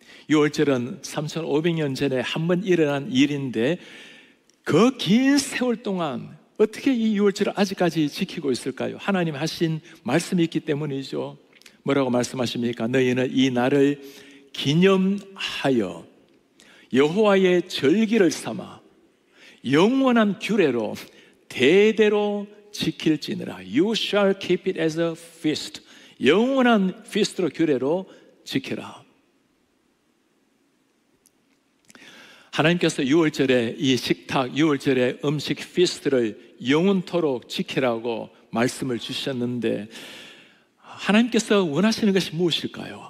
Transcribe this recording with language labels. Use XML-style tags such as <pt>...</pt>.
<ko>유월절은 3500년 전에 한 번 일어난 일인데 그 긴 세월 동안 어떻게 이 유월절을 아직까지 지키고 있을까요? 하나님 하신 말씀이 있기 때문이죠. 뭐라고 말씀하십니까? 너희는 이 날을 기념하여 여호와의 절기를 삼아 영원한 규례로 대대로 지킬지니라.</ko> <en>You shall keep it as a feast.</en> <ko>영원한 feast로 규례로 지켜라. 하나님께서 유월절에 이 식탁, 유월절에 음식 피스트를 영원토록 지키라고 말씀을 주셨는데 하나님께서 원하시는 것이 무엇일까요?</ko>